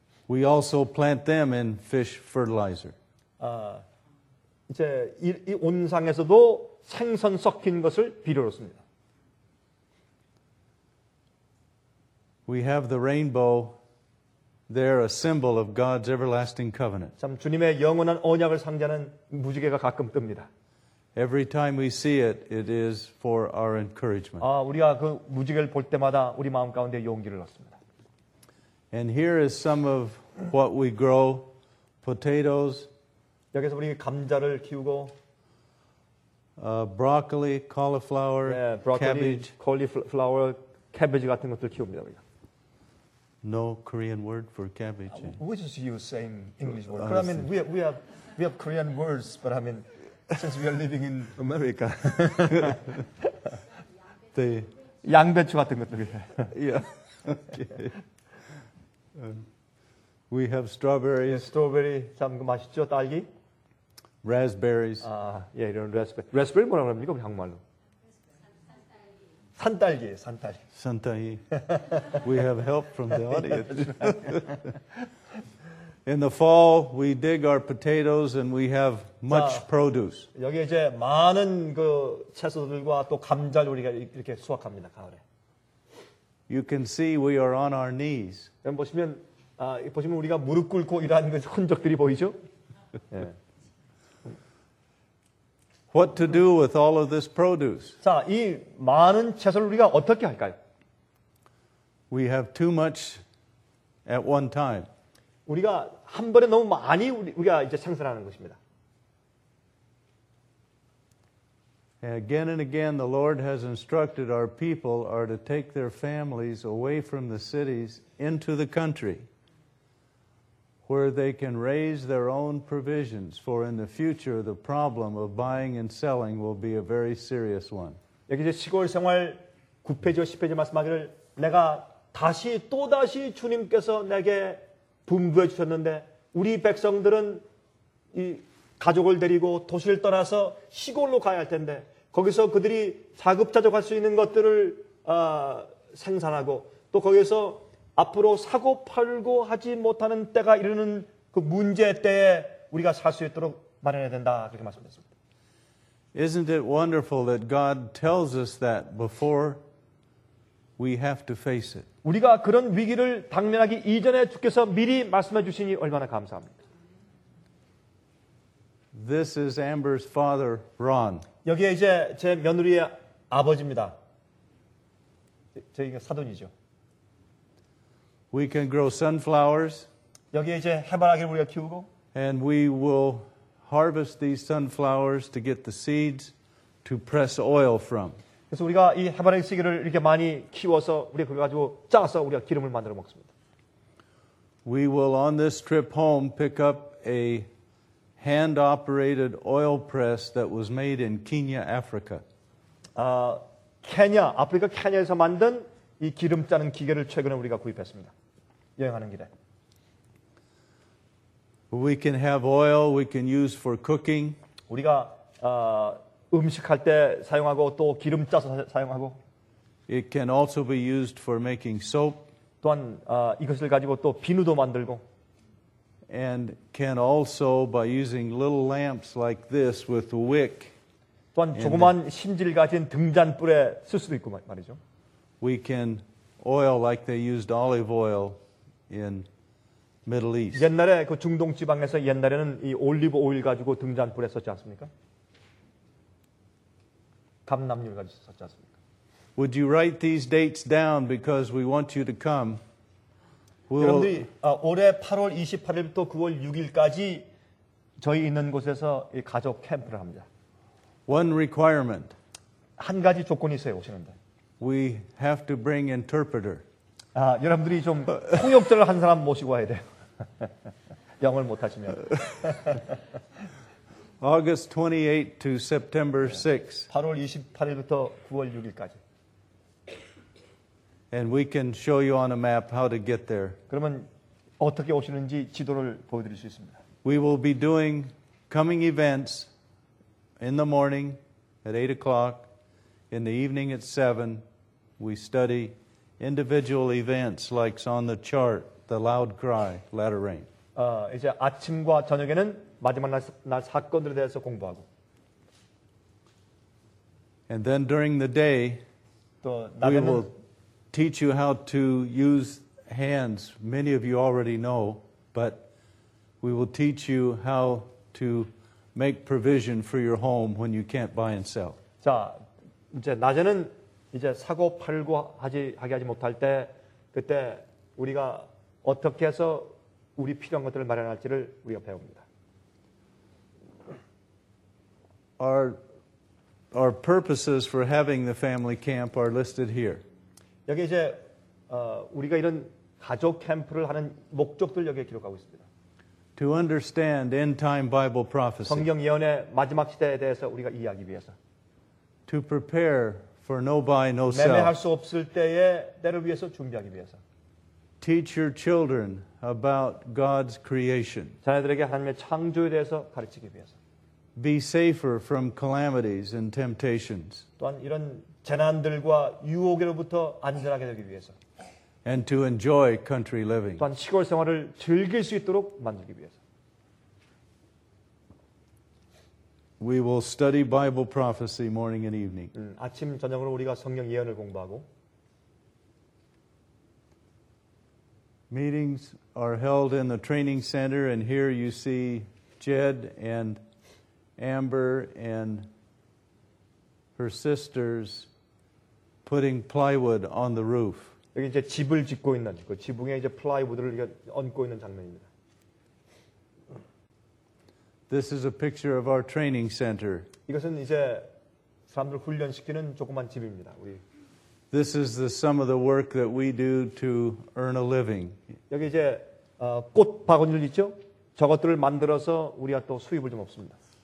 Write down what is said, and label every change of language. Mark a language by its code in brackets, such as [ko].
[en] We also plant them in fish fertilizer. [ko] 이제 이 온상에서도 생선 섞인 것을 비료로 씁니다. [en] We have the rainbow. They're a symbol of God's everlasting covenant. [ko] 참 주님의 영원한 언약을 상징하는 무지개가 가끔 뜹니다. [en] Every time we see it, it is for our encouragement. [ko] 아, 우리가 그 무지개를 볼 때마다 우리 마음 가운데 용기를 얻습니다. [en] And here is some of what we grow: potatoes. [ko] 여기서 우리 감자를 키우고, [en] broccoli, cauliflower, [ko] 네, broccoli, [en] cabbage, [ko] cauliflower, cabbage 같은 것들 키웁니다. 우리가. [en] No Korean word for cabbage. We just use same English word. But I mean, we have Korean words, but I mean, since we are living in America, the [ko] 양배추 같은 것들. [en] Yeah. Okay. We have strawberries. Yeah, strawberry. [ko] 참 맛있죠, 딸기. [en] Raspberries. [ko] 아, 예, 이런 raspberry. Raspberry 뭐라고 합니까, 우리 한국말로? 산딸기, 산딸기. 산딸기. [en] We have help from the audience. In the fall, we dig our potatoes and we have much produce. [ko] 여기 이제 많은 그 채소들과 또 감자를 우리가 이렇게 수확합니다, 가을에. [en] You can see we are on our knees. [ko] 여러분 보시면, 보시면 우리가 무릎 꿇고 이러한 그 흔적들이 보이죠? 예. [en] What to do with all of this produce? [ko] 자, 이 많은 채소를 우리가 어떻게 할까요? [en] We have too much at one time. [ko] 우리가 한 번에 너무 많이 우리가 이제 생산하는 것입니다. [en] Again and again, the Lord has instructed our people are to take their families away from the cities into the country, where they can raise their own provisions. For in the future, the problem of buying and selling will be a very serious one. [ko] 여기 이제 시골 생활 9페이지와 10페이지 말씀하기를 내가 다시 또 다시 주님께서 내게 분부해 주셨는데 우리 백성들은 이 가족을 데리고 도시를 떠나서 시골로 가야 할 텐데 거기서 그들이 사급자족할 수 있는 것들을 생산하고 또 거기서 앞으로 사고 팔고 하지 못하는 때가 이르는 그 문제 때에 우리가 살 수 있도록 마련해야 된다 그렇게 말씀드렸습니다. [en] Isn't it wonderful that God tells us that before we have to face it? [ko] 우리가 그런 위기를 당면하기 이전에 주께서 미리 말씀해 주시니 얼마나 감사합니다. [en] This is Amber's father, Ron. [ko] 여기에 이제 제 며느리의 아버지입니다. 저희가 사돈이죠. [en] We can grow sunflowers. [ko] 여기 이제 해바라기를 우리가 키우고. [en] And we will harvest these sunflowers to get the seeds to press oil from. [ko] 그래서 우리가 이 해바라기 시계를 이렇게 많이 키워서 우리가 그걸 가지고 짜서 우리가 기름을 만들어 먹습니다. [en] We will on this trip home pick up a hand-operated oil press that was made in Kenya, Africa. [ko] 케냐, 아프리카 케냐에서 만든 이 기름 짜는 기계를 최근에 우리가 구입했습니다. 여행하는 길에. [en] We can have oil we can use for cooking. [ko] 우리가 음식할 때 사용하고 또 기름 짜서 사용하고 [en] It can also be used for making soap. [ko] 또한 이것을 가지고 또 비누도 만들고 [en] And can also by using little lamps like this with wick [ko] 또한 조그만 심지를 가진 등잔불에 쓸 수도 있고 말이죠. [en] We can oil like they used olive oil in Middle East. [ko] 옛날에 그 중동 지방에서 옛날에는 이 올리브 오일 가지고 등잔불에 썼지 않습니까? 감람유를 가지고 썼지 않습니까? [en] Would you write these dates down because we want you to come? We'll... [ko] 그런데 올해 8월 28일부터 9월 6일까지 저희 있는 곳에서 이 가족 캠프를 합니다. [en] One requirement. [ko] 한 가지 조건이 있어요 오시는데. [en] We have to bring interpreter. [ko] 여러분들이 좀 통역자를 한 사람 모시고 와야 돼요. 영어를 못하시면. [en] August 28 to September 6. [ko] 8월 28일부터 9월 6일까지. [en] And we can show you on a map how to get there. [ko] 그러면 어떻게 오시는지 지도를 보여드릴 수 있습니다. [en] We will be doing coming events in the morning at 8 o'clock, in the evening at 7. We study individual events like on the chart, the loud cry, latter rain. [ko] 이제 아침과 저녁에는 마지막 날 사건들에 대해서 공부하고. [en] And then during the day, [ko] 또 낮에는, [en] we will teach you how to use hands. Many of you already know, but we will teach you how to make provision for your home when you can't buy and sell. [ko] 자, 이제 낮에는 이제 사고 팔고 하지 못할 때 그때 우리가 어떻게 해서 우리 필요한 것들을 마련할지를 우리가 배웁니다. [en] Our purposes for having the family camp are listed here. [ko] 여기 이제 우리가 이런 가족 캠프를 하는 목적들 여기에 기록하고 있습니다. [en] To understand end time Bible prophecy. [ko] 성경 예언의 마지막 시대에 대해서 우리가 이해하기 위해서. [en] To prepare for no buy no sell. [ko] 매매할 수 없을 때에 때를 위해서 준비하기 위해서. [en] Teach your children about God's creation. [ko] 자녀들에게 하나님의 창조에 대해서 가르치기 위해서. [en] Be safer from calamities and temptations. [ko] 또한 이런 재난들과 유혹으로부터 안전하게 되기 위해서. [en] And to enjoy country living. [ko] 또한 시골 생활을 즐길 수 있도록 만들기 위해서. [en] We will study Bible prophecy morning and evening. [ko] 아침 저녁으로 우리가 성경 예언을 공부하고. [en] Meetings are held in the training center, and here you see Jed and Amber and her sisters putting plywood on the roof. [ko] 여기 이제 집을 짓고 있는 그 지붕에 이제 플라이우드를 얹고 있는 장면입니다. [en] This is a picture of our training center. [ko] 이것은 이제 사람들 훈련시키는 조그만 집입니다. 우리. [en] This is the some of the work that we do to earn a living. [ko] 여기 이제 꽃 바구니들 있죠? 저것들을 만들어서 우리가 또 수입을 좀 얻습니다.